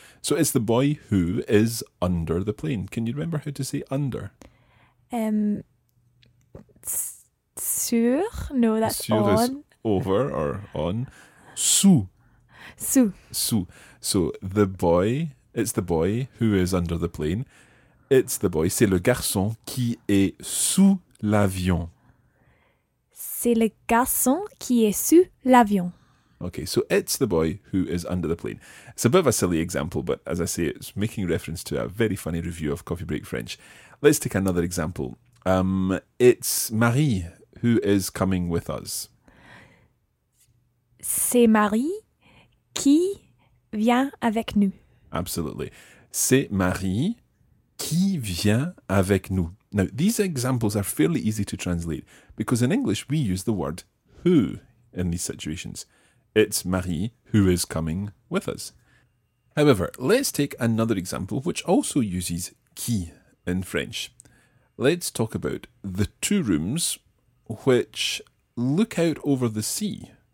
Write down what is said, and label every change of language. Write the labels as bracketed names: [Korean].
[English] So it's the boy who is under the plane. Can you remember how to say under? Sur? No, that's [French] sur [English] on. Is over or on. Sous. [French] Sous. [English] So the boy, it's the boy who is under the plane. It's the boy. [French] C'est le garçon qui est sous l'avion. C'est le garçon qui est sous l'avion. [English] Okay, so it's the boy who is under the plane. It's a bit of a silly example, but as I say, it's making reference to a very funny review of Coffee Break French. Let's take another example. It's Marie who is coming with us. [French] C'est Marie qui vient avec nous. [English] Absolutely. [French] C'est Marie qui vient avec nous. [English] Now, these examples are fairly easy to translate because in English we use the word who in these situations. It's Marie who is coming with us. However, let's take another example which also uses qui in French. Let's talk about the two rooms which look out over the sea.